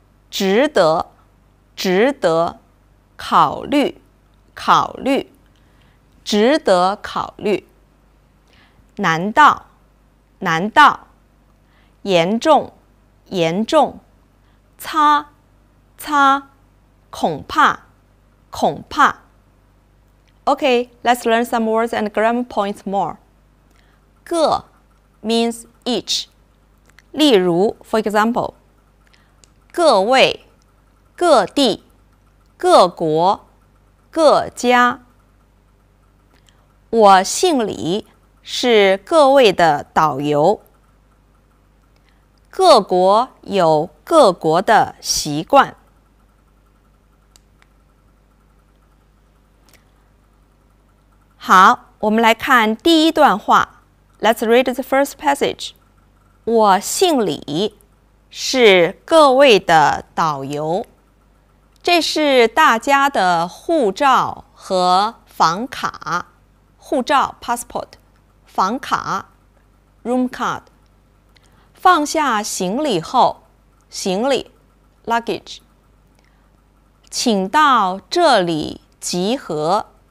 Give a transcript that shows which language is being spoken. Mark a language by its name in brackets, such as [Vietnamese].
[Chinese] 值得，值得，考虑，考虑，值得考虑，难道，难道，严重，严重，擦。擦，恐怕，恐怕。 [English] Okay, let's learn some words and grammar points more. 个 means each. [Chinese] 例如 [English] for example, [Chinese] 各位、各地、各国、各家。我姓李，是各位的导游。各国有各国的习惯。好，我们来看第一段话。 [English] Let's read the first passage. [Chinese] 我姓李，是各位的导游。这是大家的护照和房卡。护照 passport， 房卡 room card。放下行李后，行李 luggage， 请到这里集合。